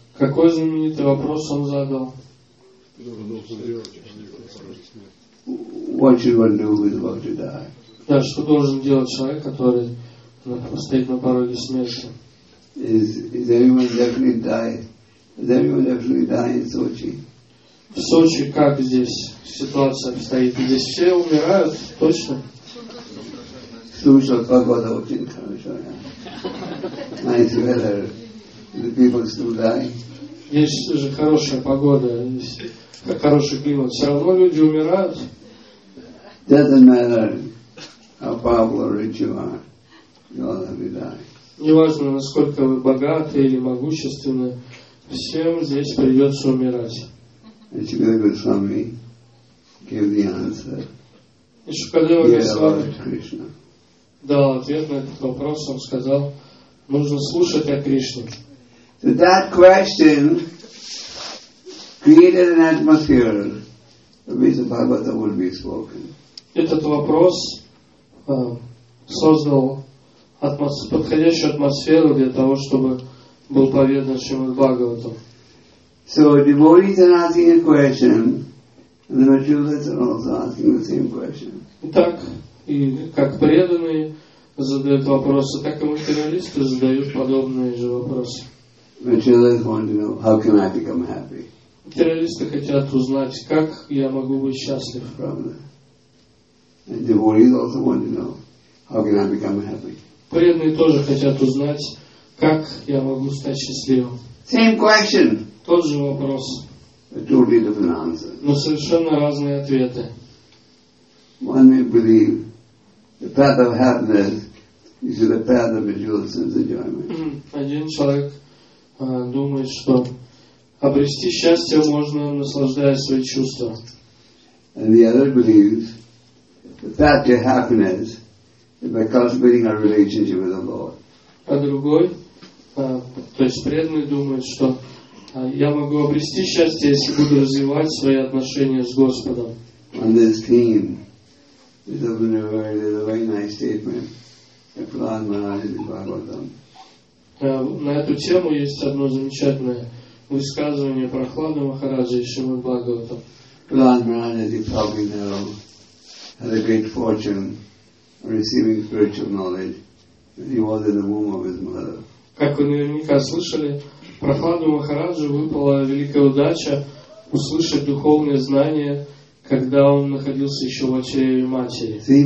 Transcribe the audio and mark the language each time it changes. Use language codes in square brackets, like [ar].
[ru] Какой знаменитый вопрос он задал? [en] What should one do who is about to die? [ru] Да, что должен делать человек, который стоит на пороге смерти? [en] Is everyone actually dying in Sochi? [ru] В Сочи как здесь ситуация обстоит? Здесь все умирают, точно? Слушал, погода очень хорошая. [en] Nice weather. The people still die. [ru] Есть же хорошая погода, хороший климат. Все равно люди умирают. [en] Doesn't matter how powerful or rich you are. You all have to die. [ru] Не важно, насколько вы богаты или могущественны, всем здесь придется умирать. [en] Шукадева Госвами gave the answer. [ru] И Шукадева Госвами Кришна дал ответ на этот вопрос. Он сказал, нужно слушать о Кришне. [en] So that question created an atmosphere in which the Bhagavata would be spoken. [ru] Этот вопрос создал подходящую атмосферу для того, чтобы был поведан Шримад Бхагаватам. [en] So devotees are asking a question, and the materialists are also asking the same question. [ru] Итак, и как преданные задают вопросы, так и материалисты задают подобные же вопросы. [en] Materialists want to know how can I become happy. [ru] Материалисты хотят узнать, как я могу быть счастлив. Правда. [en] And devotees also want to know how can I become happy. [ru] Преданные тоже хотят узнать, как я могу стать счастливым. [en] Same question. [ru] Тот же вопрос. [en] Totally different answer. [ru] Но совершенно разные ответы. [en] One may believe the path of happiness is the path of material sense enjoyment. [ru] Один человек думает, что обрести счастье можно, наслаждаясь своими чувствами. [en] And the other believes the path to happiness is by cultivating a relationship with the Lord. [ru] А другой, то есть преданный, думает, что я могу обрести счастье, если буду развивать свои отношения с Господом. [en] On this theme, this is a very nice statement. Prahlad Maharaj in Bhagavatam. [ru] На эту тему есть одно замечательное высказывание Прахлады Махараджа из Шримад Бхагаватам. [en] Prahlad Maharaj, you probably know, had a great fortune receiving spiritual knowledge when he was in the womb of his mother. [ru] Как вы наверняка слышали, Прахладу Махараджу выпала великая удача услышать духовные знания, когда он находился еще в чреве матери.